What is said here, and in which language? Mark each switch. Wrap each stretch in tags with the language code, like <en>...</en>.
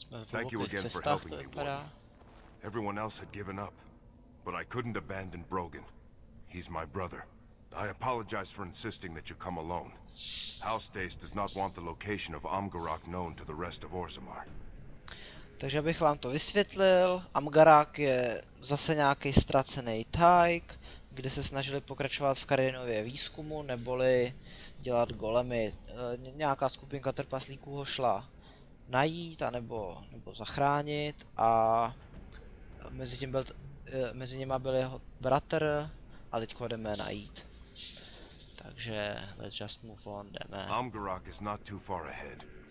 <en>Thank you again for helping me, Warden. Everyone else had given up, but I couldn't abandon Brogan. He's my brother. I apologize for insisting that you come alone. House Dace does not want the location of Omgarak known to the rest of Orzammar.</en> <cs>Takže abych vám to vysvětlil, Omgarak je zase nějaký ztracený Tige, kde se snažili pokračovat v Karinově výzkumu, neboli dělat golemy. Nějaká skupinka trpaslíků ho šla najít, anebo, zachránit, a mezi tím byl, mezi nimi byl jeho bratr, a teď ho jdeme najít. Takže</cs> <en>let's just move on,</en> <cs>jdeme.</cs> <en>Amgarok is not too far ahead.</en>